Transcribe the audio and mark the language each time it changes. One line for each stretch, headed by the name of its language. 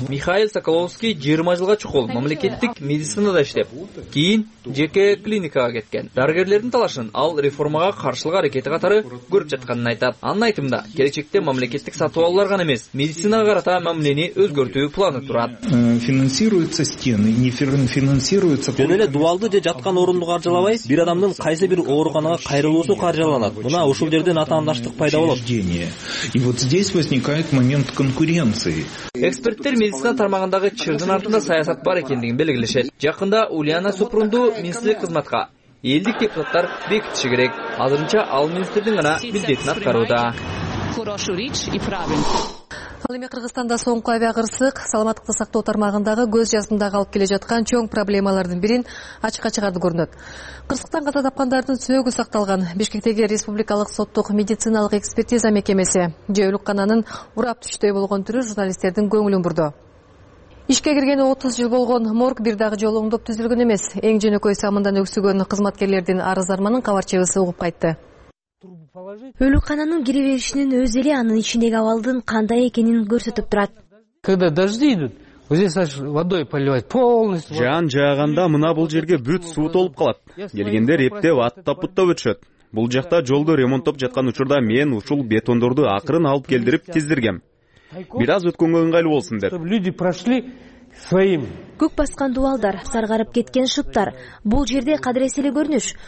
Kyrgyz: Михаил Соколовский 20 жылга чукул мамлекеттик медицинада иштеп, кийин жеке клиникага кеткен. Дарыгерлердин талашын ал реформага каршылык аракети катары көрүп жатканын айтат. Анын айтымында келечекте мамлекеттик сатып алуулар гана эмес, медицинага карата мамилени өзгөртүү планы турат.
Russian: Финансируются стены, не финансируются.
Kyrgyz: Дубалды же жаткан орунду каржылабай, бир адамдын кайсы бир ооруканага кайрылуусу каржыланат. Мына ушул жерден атаандаштык пайда болот.
Russian: И вот здесь возникает момент конкуренции.
Kyrgyz: Эксперттер медицина тармагындагы чырдын артында саясат бар экендигин белгилешет. Жакында Ульяна Супрунду министрлик кызматка элдик депутаттар бекитиши керек. Азырынча ал министрдин гана милдетин аткарууда. Ал эми Кыргызстанда соңку авиа кырсык саламаттыкты сактоо тармагындагы көз жаштында калып келе жаткан чоң проблемалардын бирин ачыкка чыгарды көрүнөт. Кырсыктан каза тапкандардын сөөгү сакталган Бишкектеги Республикалык соттук медициналык экспертиза мекемеси же өлүккананын урап түштөй болгон түрү журналисттердин көңүлүн бурду. Ишке кирген 30 жыл болгон морг бир дагы жолу оңдоп түзүлгөн эмес. Эң жөнөкөй самындан өксүгөн кызматкерлердин арыз арманын кабарчыбызы угуп кайтты. Өлүккананын кире беришинин өзү эле анын ичиндеги абалдын кандай экенин көрсөтүп турат.
Russian: Когда дожди идут, вот здесь аж водой поливают полностью.
Kyrgyz: Жаан жааганда мына бул жерге бүт суу толуп калат. Келгендер эптеп аттап буттап өтүшөт. Бул жакта жолду ремонттоп жаткан учурда мен ушул бетондорду акырын алып келдирип тиздиргем. Бир аз өткөнгө ыңгайлуу болсун деп.
Russian: Люди прошли своим.
Kyrgyz: Көк баскан дубалдар, саргарып кеткен шыптар, бул жерде кадыресели көрүнүш.